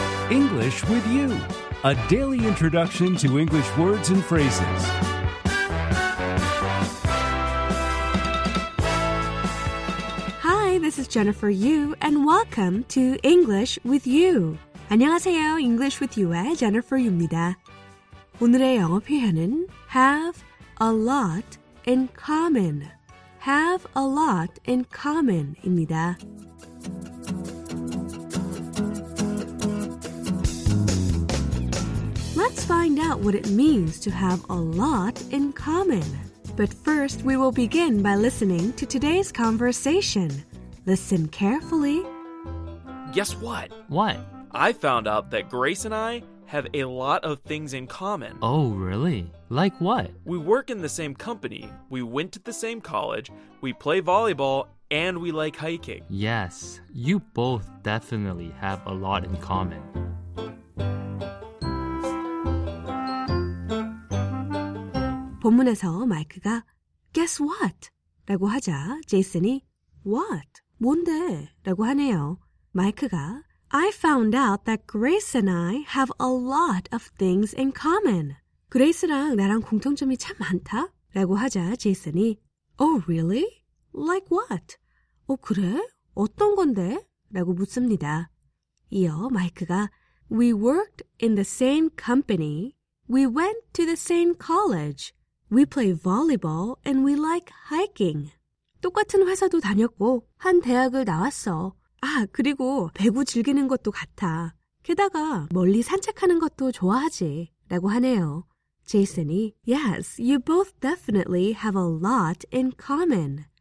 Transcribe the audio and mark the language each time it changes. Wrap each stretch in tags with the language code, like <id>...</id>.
<en>English with you, a daily introduction to English words and phrases. 제니퍼 유 and welcome to English with you.</en> <ko>안녕하세요. English with you의 제니퍼 유입니다. 오늘의 영어 표현은</ko> <en>have a lot in common. Have a lot in common입니다. Let's find out what it means to have a lot in common. But first, we will begin by listening to today's conversation. Listen carefully. Guess what? What? I found out that Grace and I have a lot of things in common. Oh, really? Like what? We work in the same company, we went to the same college, we play volleyball, and we like hiking. Yes, you both definitely have a lot in common. In</en> <ko>본문에서 마이크가</ko> <en>Guess what?</en> <ko>라고 하자 제이슨이</ko> <en>What?</en> <ko>뭔데? 라고 하네요.</ko> <en>마이크가 I found out that Grace and I have a lot of things in common.</en> <ko>그레이스랑 나랑 공통점이 참 많다? 라고 하자 제이슨이</ko> <en>Oh, really? Like what?</en> <ko>어, 그래? 어떤 건데? 라고 묻습니다. 이어 마이크가</ko> <en>We worked in the same company. We went to the same college. We play volleyball and we like hiking.</en> <ko>똑같은 회사도 다녔고 한 대학을 나왔어. 아, 그리고 배구 즐기는 것도 같아. 게다가 멀리 산책하는 것도 좋아하지. 라고 하네요.</ko> <en>제이슨이 Yes, you both definitely have a lot in common.</en>